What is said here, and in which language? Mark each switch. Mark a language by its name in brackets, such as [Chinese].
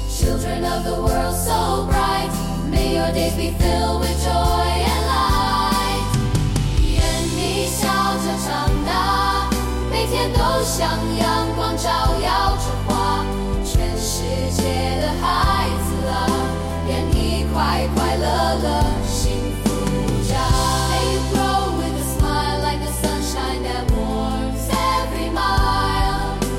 [English] Children of the world so bright, may your days be filled with joy and light. [Chinese] 愿你笑着长大，每天都像阳光照耀着花，全世界的孩子啊，愿你快快乐乐幸福家。 [English] May you grow with a smile like the sunshine that warms every mile.